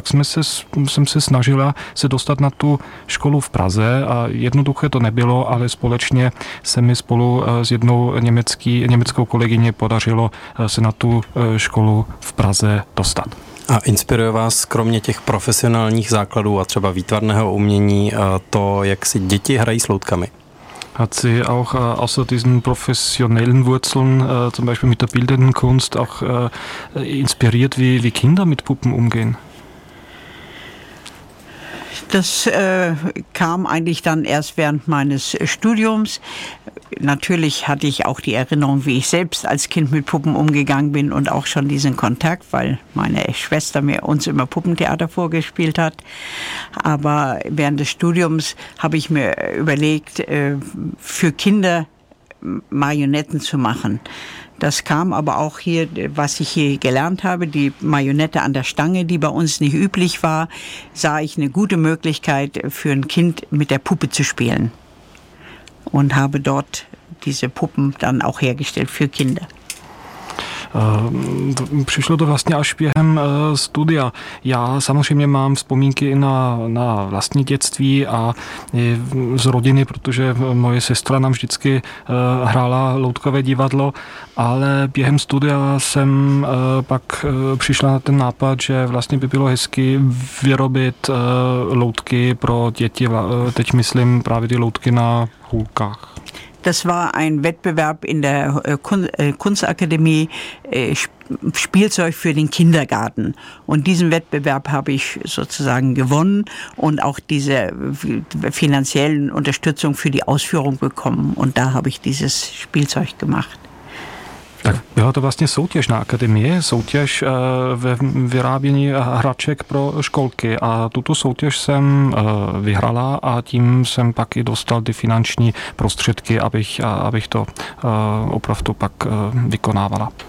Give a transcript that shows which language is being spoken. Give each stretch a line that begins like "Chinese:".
Czech: Tak jsem se snažila se dostat na tu školu v Praze a jednoduché to nebylo, ale společně se mi spolu s jednou německou kolegyně podařilo se na tu školu v Praze dostat. A inspiruje vás kromě těch profesionálních základů a třeba výtvarného umění to, jak si děti hrají s loutkami?
German: Hat sie auch außer diesen professionellen Wurzeln, zum Beispiel mit der bildenden Kunst, auch inspiriert, wie Kinder mit Puppen umgehen? Das kam eigentlich dann erst während meines Studiums. Natürlich hatte ich auch die Erinnerung, wie ich selbst als Kind mit Puppen umgegangen bin und auch schon diesen Kontakt, weil meine Schwester mir uns immer Puppentheater vorgespielt hat. Aber während des Studiums habe ich mir überlegt, für Kinder Marionetten zu machen. Das kam aber auch hier, was ich hier gelernt habe, die Marionette an der Stange, die bei uns nicht üblich war, sah ich eine gute Möglichkeit, für ein Kind mit der Puppe zu spielen. Und habe dort diese Puppen dann auch hergestellt für Kinder.
Czech: Přišlo to vlastně až během studia. Já samozřejmě mám vzpomínky i na vlastní dětství a z rodiny, protože moje sestra nám vždycky hrála loutkové divadlo, ale během studia jsem pak přišla na ten nápad, že vlastně by bylo hezky vyrobit loutky pro děti, teď myslím právě ty loutky na hůlkách.
German: Das war ein Wettbewerb in der Kunstakademie, Spielzeug für den Kindergarten. Und diesen Wettbewerb habe ich sozusagen gewonnen und auch diese finanziellen Unterstützung für die Ausführung bekommen. Und da habe ich dieses Spielzeug gemacht.
Czech: Tak byla to vlastně soutěž na akademii, soutěž ve vyrábění hraček pro školky a tuto soutěž jsem vyhrala a tím jsem pak i dostal ty finanční prostředky, abych to opravdu pak vykonávala.